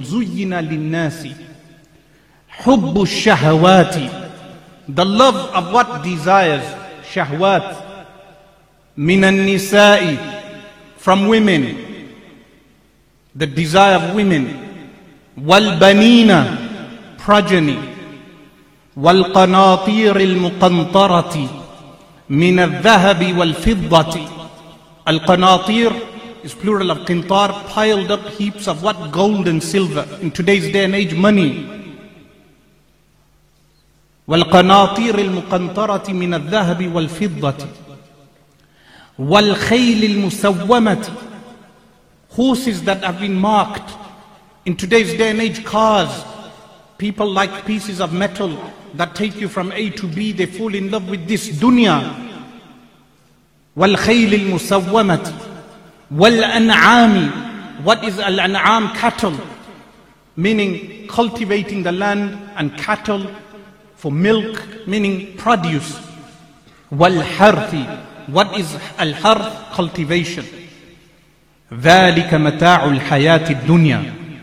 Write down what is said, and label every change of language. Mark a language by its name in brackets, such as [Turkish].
[Arabic] زُيِّنَ لِلنَّاسِ حُبُّ الشَّهَوَاتِ, [English] the love of what desires, shahwat, [Arabic] مِنَ النِّسَاءِ, [English] from women, the desire of women, [Arabic] وَالْبَنِينَ, [English] progeny, [Arabic] وَالْقَنَاطِيرِ الْمُقَنْطَرَةِ مِنَ الذَّهَبِ وَالْفِضَّةِ. [English] Al-Qanatir is plural of Qintar, piled up heaps of what? Gold and silver. In today's day and age, money. [Arabic] وَالْقَنَاطِيرِ الْمُقَنْطَرَةِ مِنَ الذَّهَبِ وَالْفِضَّةِ وَالْخَيْلِ الْمُسَوَّمَةِ, [English] horses that have been marked. In today's day and age, cars. People like pieces of metal that take you from A to B. They fall in love with this dunya. [Arabic] والخيل المسومة والأنعام. [English] What is الأنعام? Cattle, meaning cultivating the land, and cattle for milk, meaning produce. [Arabic] والحرث. [English] What is الحرث? Cultivation. [Arabic] ذلك متاع الحياة الدنيا.